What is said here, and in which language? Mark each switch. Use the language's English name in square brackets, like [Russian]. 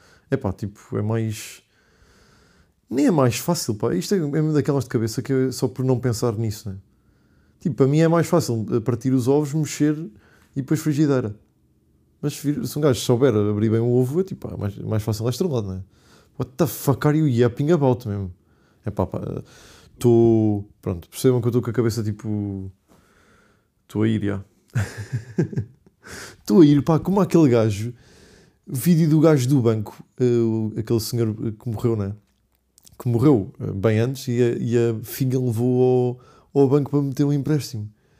[Portuguese] É pá, tipo, é mais. Nem é mais fácil, pá. Isto é mesmo daquelas de cabeça que é só por não pensar nisso, né? Tipo, para mim é mais fácil partir os ovos, mexer e depois frigideira. Mas se um gajo souber abrir bem o ovo, é tipo, é mais fácil lá estrelado, né? [English] What the fuck are you yapping about, [Portuguese] mesmo? É pá, pá. Estou. Pronto, percebam que eu estou com a cabeça tipo. Estou a ir, já. Estou a ir, pá, como aquele gajo. Vídeo do gajo do banco, aquele senhor que morreu, né? Que morreu bem antes e a filha levou ao banco para meter um empréstimo.